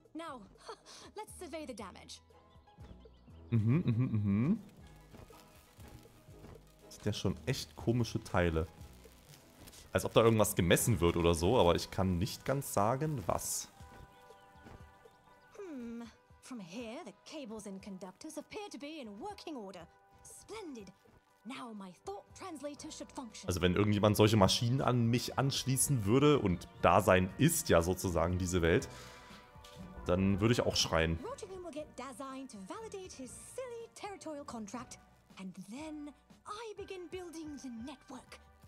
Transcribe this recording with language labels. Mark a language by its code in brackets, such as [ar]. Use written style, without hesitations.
[en] Now, let's survey the damage. [de] Sind ja schon echt komische Teile. Als ob da irgendwas gemessen wird oder so, aber ich kann nicht ganz sagen, was. [en] From here, the cables and conductors appear to be in working order. Splendid. Now my thought translator should function. [de] Also wenn irgendjemand solche Maschinen an mich anschließen würde, und Dasein ist ja sozusagen diese Welt, dann würde ich auch schreien. [en] Rotigan will get Dasein to validate his silly territorial contract, and then I begin building the network.